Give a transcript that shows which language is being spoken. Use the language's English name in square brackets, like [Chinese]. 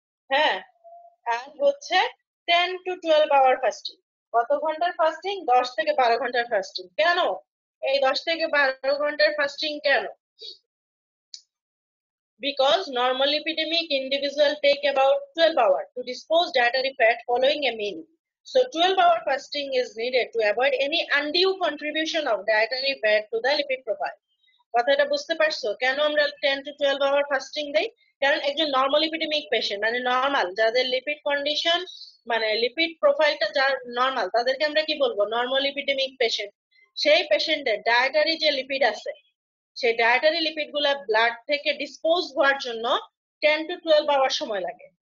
[Bangla] হ্যাঁ, আর হচ্ছে 10 to 12 hour fasting, কত ঘন্টার ফাস্টিং? 10 থেকে 12 ঘন্টার ফাস্টিং। কেন এই 10 থেকে 12 ঘন্টার ফাস্টিং? কেন? [English] Because normal epidemic individual take about 12 hour to dispose dietary fat following a meal. So 12-hour fasting is needed to avoid any undue contribution of dietary fat to the lipid profile. [Bangla] কথাটা বুঝতে পারছো? কেন আমরা 10 to 12 hour fasting দেই? কারণ একজন normal epidemic patient, মানে normal, যাদের lipid condition, মানে lipid profile টা যার normal, তাদেরকে আমরা কি বলবো? Normal epidemic patient. সেই patient দের dietary যে lipid আছে, সেই dietary lipid গুলা blood থেকে dispose হওয়ার জন্য 10 to 12 hour সময় লাগে।